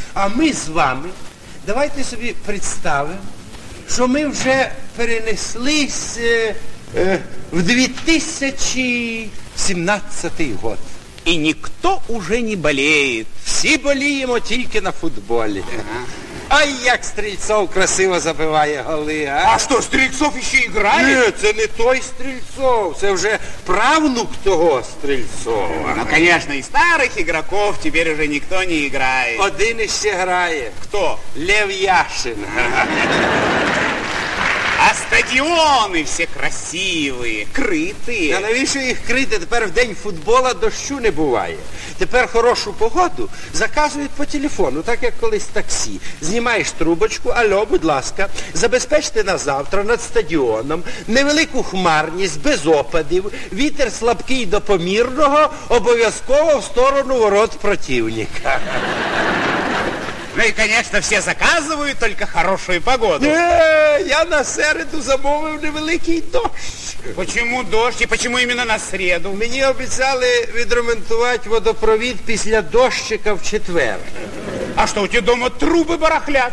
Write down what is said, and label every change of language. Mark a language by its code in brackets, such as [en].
[ru] А мы с вами, давайте себе представим, что мы уже перенеслись в 2017 год. И никто уже не болеет. Все болеем только на футболе. [uk] Ай, як Стрельцов красиво забиває голи, а? [ru] А что, Стрельцов еще играет? [uk] Нет, це не той Стрельцов, це вже правнук того Стрельцова. [ru] Ну, конечно, и старых игроков теперь уже никто не играет. Один еще играет. Кто? Лев Яшин. А стадионы все красивые, крытые. Да навіщо их крыть? Теперь в день футбола дощу не бывает. Теперь хорошую погоду заказывают по телефону, так как колись такси. [uk] Знімаєш трубочку, алло, будь ласка, забезпечте на завтра над стадионом невелику хмарність, без опадів, вітер слабкий до помірного, обов'язково в сторону ворот противника. [ru] Ну и, конечно, все заказывают только хорошую погоду. [uk] Не, я на середу замовил невеликий дождь. [ru] Почему дождь и почему именно на среду? Мне обещали відремонтувати водопровод после дощика в четвер. А что, у тебя дома трубы барахлят?